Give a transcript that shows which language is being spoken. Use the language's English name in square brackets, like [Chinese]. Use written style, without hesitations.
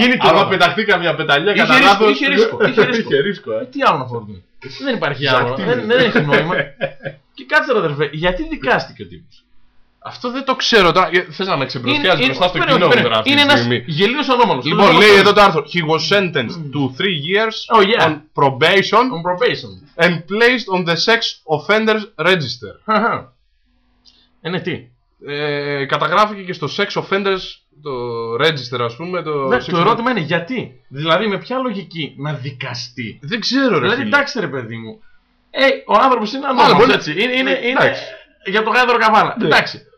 [Greek] Άμα πεταχτεί καμιά πεταλιά, κατά λάθος. Είχε ρίσκο. Είχε ρίσκο. Τι άλλο να φόρτωνε. Δεν υπάρχει άλλο. Δεν έχει νόημα. Και κάτσε, αδερφέ, γιατί δικάστηκε ο τύπος. Αυτό δεν το ξέρω. Θες να με ξεπροστιάζεις μπροστά στο κοινό μου. Είναι ένας γελίος ανώμαλος. Λοιπόν, λέει εδώ το άρθρο. [English] He was sentenced to 3 years oh, yeah. on, probation on probation and placed on the sex offenders register. [Greek] Ναι, τι. Καταγράφηκε και στο sex offenders το register, ας πούμε. Το, ναι, το ερώτημα είναι γιατί. Δηλαδή, με ποια λογική να δικαστεί. Δεν ξέρω, ρε. Δηλαδή, εντάξει, ρε παιδί μου. Ο άνθρωπος είναι ανώμαλος. Έτσι. Εντάξει. Για τον γάιδρο καβάλα. Ναι. Εντάξει.